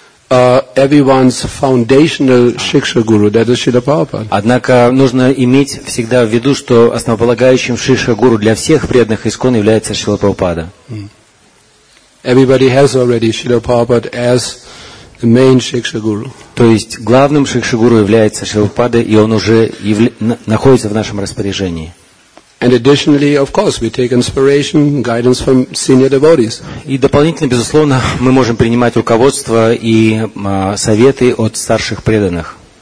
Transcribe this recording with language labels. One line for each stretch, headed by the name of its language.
English: Everyone's foundational shiksha guru, that is Srila Prabhupada.
Russian: Однако нужно иметь всегда в виду, что основополагающим шиксха гуру для всех преданных искон является Шрила Прабхупада.
English: Everybody has already Srila Prabhupada as the main shiksha guru.
Russian: То есть главным шиксха гуру является Шрила Прабхупада, и он уже находится в нашем распоряжении.
English: And additionally, of course, we take inspiration, guidance from senior devotees.
Russian: И дополнительно, безусловно, мы можем принимать руководство и советы от старших преданных.